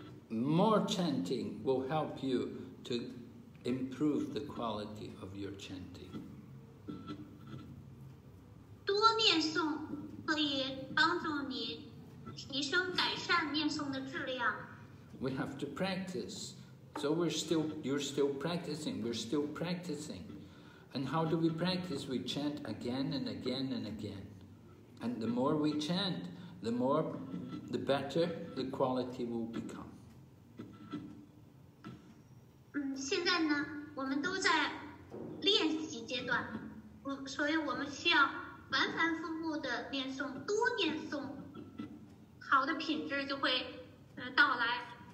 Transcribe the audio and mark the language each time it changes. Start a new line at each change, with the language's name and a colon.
English: More chanting will help you to improve the quality of your chanting.
Chinese: 多念诵可以帮助你提升改善念诵的质量。
English: We have to practice. So you're still practicing. We're still practicing. And how do we practice? We chant again and again and again. And the more we chant, the more, the better the quality will become.
Chinese: 现在呢，我们都在练习阶段，所以我们需要反反复复的念诵，多念诵，好的品质就会到来。